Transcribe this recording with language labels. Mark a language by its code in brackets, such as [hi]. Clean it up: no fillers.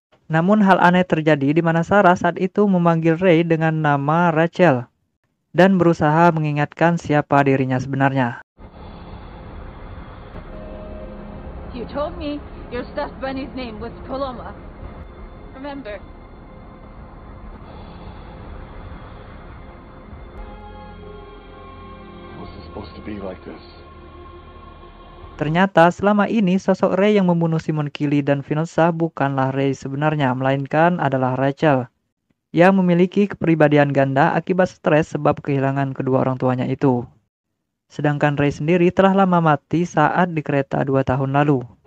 [id] Namun hal aneh terjadi di mana Sarah saat itu memanggil Ray dengan nama Rachel dan berusaha mengingatkan siapa dirinya sebenarnya. [en] You told me your stuffed bunny's name was Coloma. Remember? Was it supposed to be like this? [id] Ternyata selama ini sosok Ray yang membunuh Simon Kili dan Vanessa bukanlah Ray sebenarnya, melainkan adalah Rachel yang memiliki kepribadian ganda akibat stres sebab kehilangan kedua orang tuanya itu. Sedangkan Ray sendiri telah lama mati saat di kereta 2 tahun lalu.